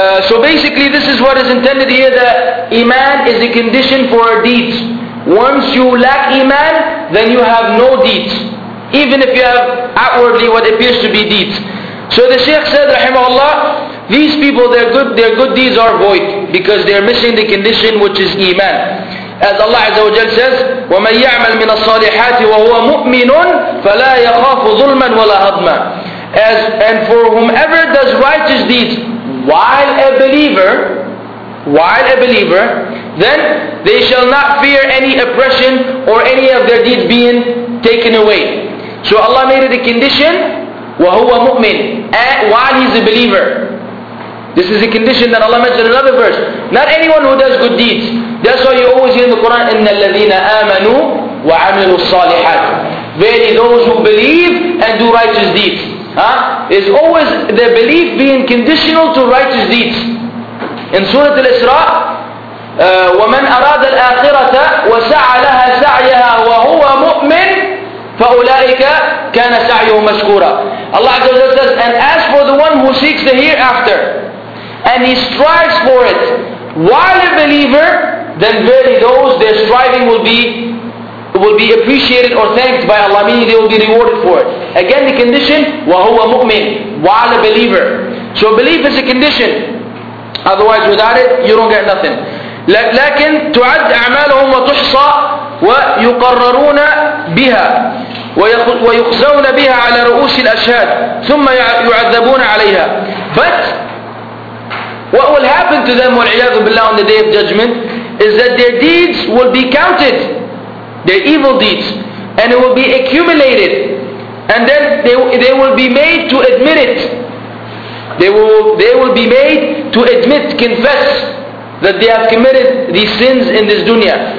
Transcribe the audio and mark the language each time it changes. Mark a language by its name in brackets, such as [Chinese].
[English] So basically this is what is intended here, that iman is a condition for our deeds. Once you lack iman, then you have no deeds. Even if you have outwardly what appears to be deeds. So the Shaykh said, rahimahullah, these people, their good deeds are void because they are missing the condition which is iman. As Allah Azza wa Jal says, [Arabic] وَمَنْ يَعْمَلْ مِنَ الصَّالِحَاتِ وَهُوَ مُؤْمِنٌ فَلَا يَخَافُ ظُلْمًا وَلَا هَضْمًا. [English] And for whomever does righteous deeds while a believer, while a believer, then they shall not fear any oppression or any of their deeds being taken away. So Allah made it a condition, [Arabic] وَهُوَ مُؤْمِنٌ, [English] while he's a believer. This is a condition that Allah mentioned in another verse. Not anyone who does good deeds. That's why you always hear in the Quran, [Arabic] إِنَّ الَّذِينَ آمَنُوا وَعَمِلُوا الصَّالِحَاتِ. [English] Verily those who believe and do righteous deeds. Huh? It's always their belief being conditional to righteous deeds. In Surah Al-Isra, [Arabic] وَمَنْ أَرَادَ الْآخِرَةَ وَسَعَ لَهَا سَعْيَهَا وَهُوَ مُؤْمِنٌ فَأُولَٰئِكَ كَانَ سَعْيُهُ مَشْكُورًا. [English] Allah says, and as for the one who seeks the hereafter, and he strives for it while a believer, then verily those, their striving will be appreciated or thanked by Allah, meaning they will be rewarded for it. Again, the condition, [Arabic] وَهُوَ مُؤْمِنٌ, [English] while a believer. So belief is a condition. Otherwise, without it, you don't get nothing. [Arabic] لكن تعد أعمالهم وتحصى ويقررون بها ويخزون بها على رؤوس الأشهاد ثم يعذبون عليها. [English] But what will happen to them, والعياذ بالله, on the day of judgment is that their deeds will be counted, their evil deeds, and it will be accumulated, and then they will be made to admit it. They will be made to admit, confess that they have committed these sins in this dunya.